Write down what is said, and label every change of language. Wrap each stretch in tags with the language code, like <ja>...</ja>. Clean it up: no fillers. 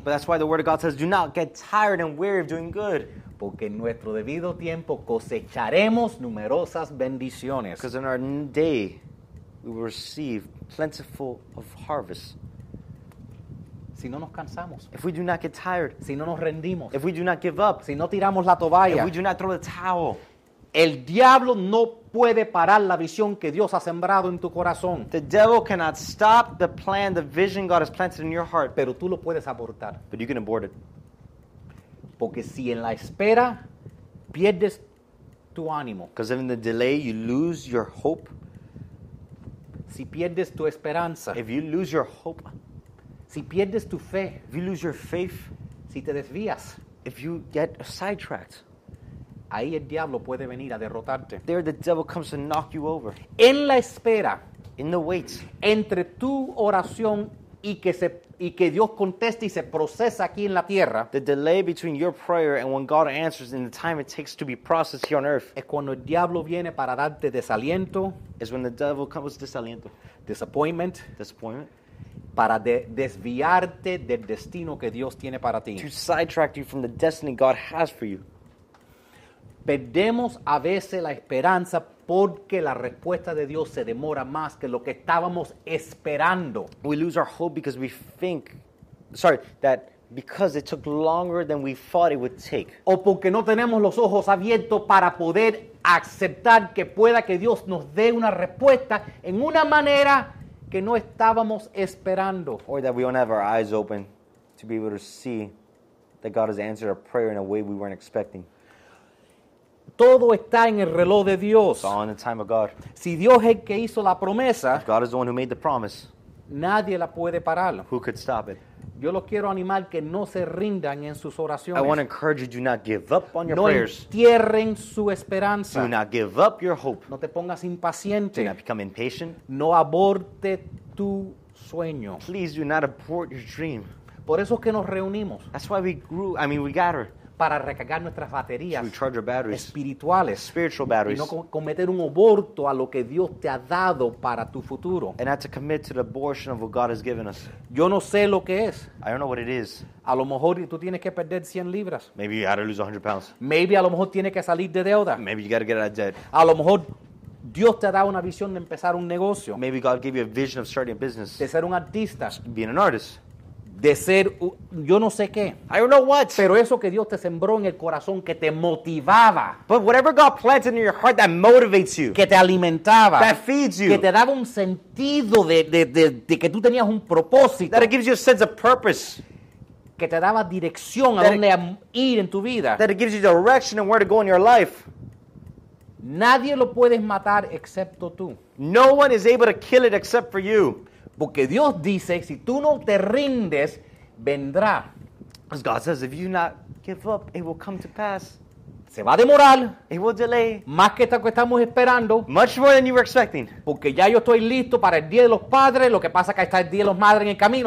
<en>But that's why the word of God says, do not get tired and weary of doing good.</en> <es>Porque en nuestro debido tiempo cosecharemos numerosas bendiciones.</es> <en>Because in our day, we will receive plentiful of harvest.</en> <es>Si no nos cansamos.</es> <en>If we do not get tired.</en> <es>Si no nos rendimos.</es> <en>If we do not give up.</en> <es>Si no tiramos la toalla.</es> <en>If we do not throw the towel.</en> <es>El diablo no puede parar la visión que Dios ha sembrado en tu corazón.</es> <en>The devil cannot stop the plan, the vision God has planted in your heart.</en> <es>Pero tú lo puedes abortar.</es> <en>But you can abort it.</en> <es>Porque si en la espera pierdes tu ánimo.</es> <en>Because in the delay you lose your hope.</en> <es>Si pierdes tu esperanza.</es> <en>If you lose your hope.</en> <es>Si pierdes tu fe.</es> <en>If you lose your faith.</en> <es>Si te desvías.</es> <en>If you get sidetracked.</en> <es>Ahí el diablo puede venir a derrotarte.</es> <en>There the devil comes to knock you over.</en> <es>En la espera.</es> <en>In the wait.</en> <es>Entre tu oración y que Dios conteste y se procesa aquí en la tierra.</es> <en>The delay between your prayer and when God answers and the time it takes to be processed here on earth.</en> <es>Es cuando el diablo viene para darte desaliento.</es> <en>Is when the devil comes desaliento. Disappointment. Disappointment.</en> <es>Para desviarte del destino que Dios tiene para ti.</es> <en>To sidetrack you from the destiny God has for you.</en> <es>Perdemos a veces la esperanza porque la respuesta de Dios se demora más que lo que estábamos esperando.</es> <en>We lose our hope because we think, sorry, that because it took longer than we thought it would take.</en> <es>O porque no tenemos los ojos abiertos para poder aceptar que pueda que Dios nos dé una respuesta en una manera que no estábamos esperando.</es> <en>Or that we don't have our eyes open to be able to see that God has answered our prayer in a way we weren't expecting.</en> <es>Todo está en el reloj de Dios.</es> <en>It's all in the time of God.</en> <es>Si Dios es el que hizo la promesa,</es> <en>if God is the one who made the promise,</en> <es>nadie la puede parar.</es> <en>Who could stop it?</en> <es>Yo los quiero animar que no se rindan en sus oraciones.</es> <en>I want to encourage you, do not give up on your</en> <es>no</es> <en>prayers.</en> <es>No entierren su esperanza.</es> <en>Do not give up your hope.</en> <es>No te pongas impaciente.</es> <en>Do not become impatient.</en> <es>No aborte tu sueño.</es> <en>Please do not abort your dream.</en> <es>Por eso es que nos reunimos.</es> <en>That's why we gather.</en> <es>Para recargar nuestras baterías.</es> <en>To recharge our batteries.</en> <es>Espirituales.</es> <en>Spiritual batteries.</en> <es>Y no cometer un aborto a lo que Dios te ha dado para tu futuro.</es> <en>And not to commit to the abortion of what God has given us.</en> <es>Yo no sé lo que es.</es> <en>I don't know what it is.</en> <es>A lo mejor tú tienes que perder 100 libras.</es> <en>Maybe you gotta lose 100 pounds. Maybe</en> <es>a lo mejor tienes que salir de deuda.</es> <en>Maybe you gotta get out of debt.</en> <es>A lo mejor Dios te ha dado una visión de empezar un negocio.</es> <en>Maybe God gave you a vision of starting a business.</en> <es>De ser un artista.</es> <en>Being an artist.</en> <es>De ser, yo no sé qué.</es> <en>I don't know what.</en> <es>Pero eso que Dios te sembró en el corazón, que te motivaba.</es> <en>But whatever God plants in your heart that motivates you.</en> <es>Que te alimentaba.</es> <en>That feeds you.</en> <es>Que te daba un sentido de que tú tenías un propósito.</es> <en>That it gives you a sense of purpose.</en> <es>Que te daba dirección a dónde ir en tu vida.</es> <en>That it gives you direction and where to go in your life.</en> <es>Nadie lo puedes matar excepto tú.</es> <en>No one is able to kill it except for you.</en> <es>Porque Dios dice, si tú no te rindes, vendrá.</es> <en>As God says, if you not give up, it will come to pass.</en> <es>Se va a demorar.</es> <en>It will delay.</en> <es>Más que esto que estamos esperando.</es> <en>Much more than you were expecting.</en> <es>Porque ya yo estoy listo para el Día de los Padres. Lo que pasa es que está el Día de los Madres en el camino.</es>